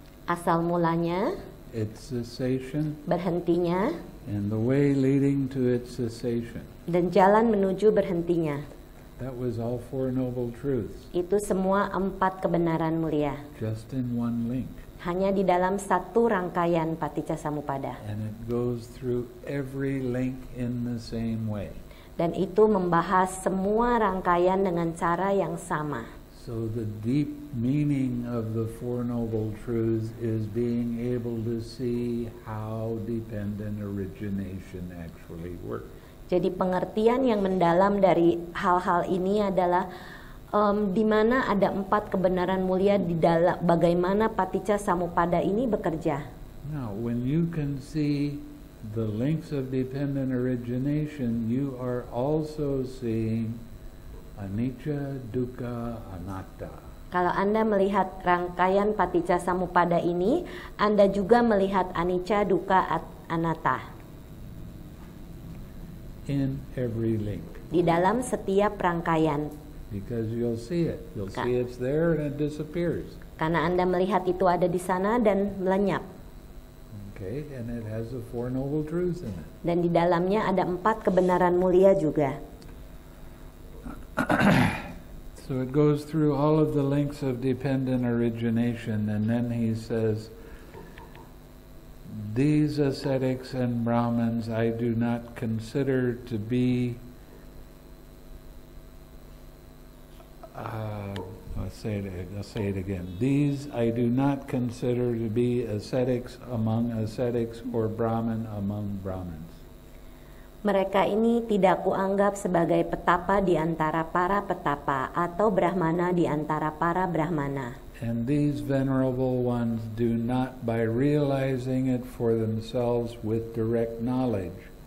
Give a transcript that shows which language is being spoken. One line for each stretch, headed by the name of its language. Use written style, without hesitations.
Indonesian: Asal mulanya.
English: Its cessation.
Indonesian: Berhentinya.
English: And the way leading to its cessation.
Indonesian: Dan jalan menuju berhentinya.
English: That was all four noble truths.
Indonesian: Itu semua empat kebenaran mulia.
English: Just in one link.
Indonesian: Hanya di dalam satu rangkaian Paticcasamuppada.
English: And it goes through every link in the same way.
Indonesian: Dan itu membahas semua rangkaian dengan cara yang sama.
English: So the deep meaning of the four noble truths is being able to see how dependent origination actually works.
Indonesian: Jadi pengertian yang mendalam dari hal-hal ini adalah di mana ada empat kebenaran mulia di dalam bagaimana Paticcasamuppada ini bekerja.
English: Now, when you can see the links of dependent origination, you are also seeing anicca, dukkha, anatta.
Indonesian: Kalau Anda melihat rangkaian Paticcasamuppada ini, Anda juga melihat anicca, dukkha, anatta.
English: In every link.
Indonesian: Di dalam setiap rangkaian.
English: Because you'll see it. You'll see it's there and it disappears.
Indonesian: Karena Anda melihat itu ada di sana dan melenyap.
English: Okay, and it has the four noble truths in it.
Indonesian: Dan di dalamnya ada empat kebenaran mulia juga.
English: So it goes through all of the links of dependent origination and then he says, these ascetics and Brahmins I do not consider to be I'll say it again. These I do not consider to be ascetics among ascetics or Brahmin among Brahmins.
Indonesian: Mereka ini tidak kuanggap sebagai petapa di antara para petapa atau brahmana di antara para brahmana.
English: And these venerable ones do not, by realizing it for themselves with direct knowledge.